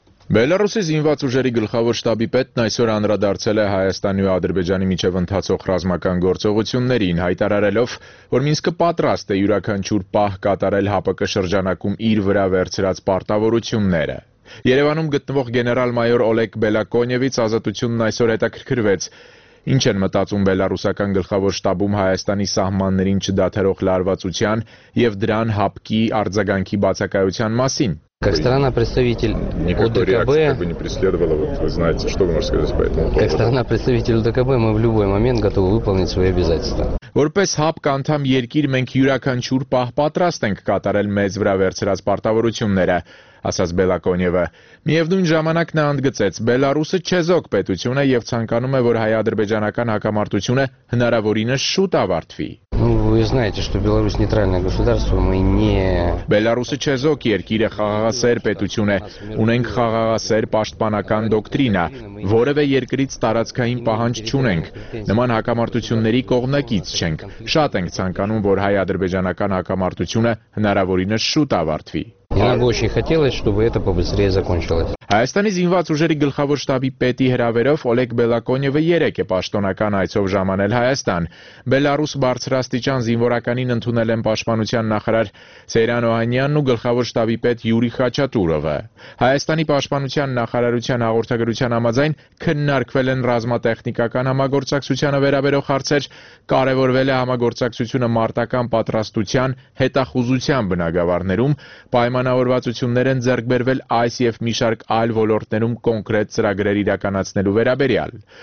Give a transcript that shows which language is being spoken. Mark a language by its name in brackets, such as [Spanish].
[Armenian] Բելարուսի զինված ուժերի գլխավոր շտաբի պետն այսօր անդրադարձել է Հայաստանի ու Ադրբեջանի միջև ընթացող ռազմական գործողություններին, հայտարարելով, որ Մինսկը պատրաստ է յուրաքանչյուր պահ կատարել ՀԱՊԿ շրջանակում իր վրա վերցրած պարտավորությունները։ Երևանում գտնվող գեներալ-մայոր Օլեգ Բելակոնևից ազատությունն այսօր հետաքրքրվեց. Ինչ են մտածում բելարուսական գլխավոր շտաբում Հայաստանի սահմաններին չդադարող լարվածության և դրան ՀԱՊԿ-ի արձագանքի բացակայության մասին։ [Russian] Как страна представитель ОДКБ, как бы не преследовала, вот вы знаете, что вы можете сказать по этому поводу? Как страна представитель ОДКБ, мы в любой момент готовы выполнить свои обязательства. [Armenian] Որպես ՀԱՊԿ անդամ երկիր մենք յուրաքանչյուր պահ պատրաստ ենք կատարել մեզ վրա վերցրած պարտավորությունները, ասաց Բելակոնևը։ Միևնույն ժամանակ նա ընդգծեց, Բելարուսը չեզոք պետություն է եւ ցանկանում է, որ հայ-ադրբեջանական հակամարտությունը հնարավորինս շուտ ավարտվի։ [Russian] Вы знаете, что Беларусь нейтральное государство, мы не [Armenian] Беларусь չեզոք երկիրը խաղաղասեր պետություն է, ունենք խաղաղասեր պաշտպանական դոկտրինա, որևէ երկրից տարածքային պահանջ չունենք, նման հակամարտությունների կողմնակից չենք, շատ ենք ցանկանում, որ հայ-ադրբեջանական հակամարտությունը հնարավորինս շուտ ավարտվի։ [Russian] Я бы очень хотелось, чтобы это побыстрее закончилось. [Armenian] Հայաստանի զինված ուժերի գլխավոր շտաբի պետի հրավերով Օլեգ Բելակոնևը 3 է պաշտոնական այցով ժամանել Հայաստան։ Բելարուս բարձրաստիճան զինվորականին ընդունել են պաշտպանության նախարար Սեյրան Օհանյանն ու գլխավոր շտաբի պետ Յուրի Խաչատուրովը։ Հայաստանի պաշտպանության նախարարության հաղորդագրության համաձայն քննարկվել են ռազմատեխնիկական համագործակցությանը վերաբերող հարցեր, կարևորվել է համագործակցությունը մարտական պատրաստության հետախուզության բնագավառներում, պայմանավորվածություններ են ձեռք բերվել այս և մի շարք այլ ոլորտներում կոնկրետ ծրագրեր իրականացնելու վերաբերյալ։